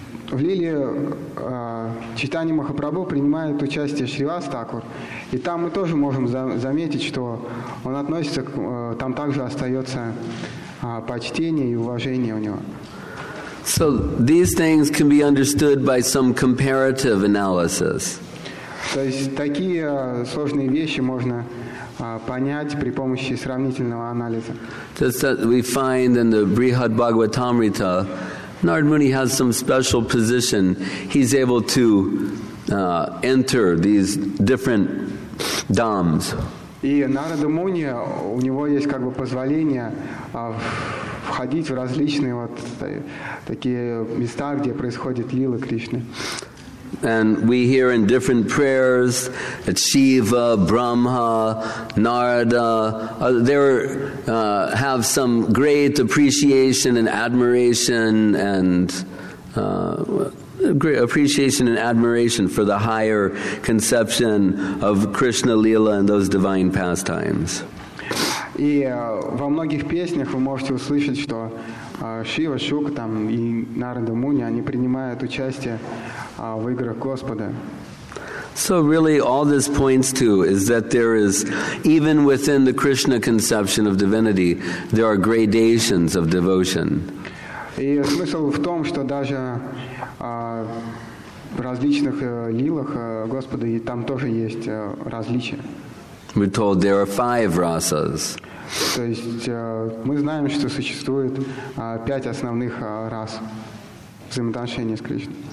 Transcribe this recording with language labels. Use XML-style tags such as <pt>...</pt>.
<ru>В Лиле читании Махапрабху принимает участие Шривас Такур. И там мы тоже можем заметить, что он относится к, там также остается почтение и уважение у него.</ru> <en>So these things can be understood by some comparative analysis.</en> <ru>То есть такие сложные вещи можно понять при помощи сравнительного анализа.</ru> <en>Just that we find in the Brihad Bhagavatamrita, Narad Muni has some special position. He's able to enter these different dhams.</en> <ru>И Нарада Муни, у него есть как бы позволение входить в различные вот такие места, где происходит лила Кришны.</ru> <en>And we hear in different prayers that Shiva, Brahma, Narada, there have some great appreciation and admiration and great appreciation and admiration for the higher conception of Krishna Leela and those divine pastimes.</en> <ru>И во многих песнях вы можете услышать, что Шива, Шука там и Нарада Муни, они принимают участие в играх Господа.</ru> <en>So really all this points to is that there is, even within the Krishna conception of divinity, there are gradations of devotion.</en> <ru>И смысл в том, что даже в различных лилах Господа и там тоже есть различия.</ru> <en>We're told there are five rasas.</en> <ru>То есть мы знаем, что существует пять основных рас взаимоотношений с Кришной.</ru>